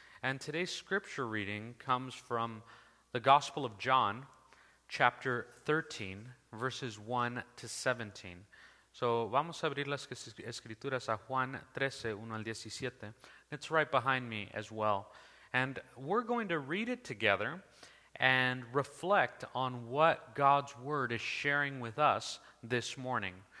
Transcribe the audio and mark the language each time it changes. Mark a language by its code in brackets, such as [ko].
[en] And today's scripture reading comes from the Gospel of John, chapter 13, verses 1 to 17. [es] So vamos a abrir las Escrituras a Juan 13, 1 al 17. [en] It's right behind me as well. And we're going to read it together and reflect on what God's Word is sharing with us this morning.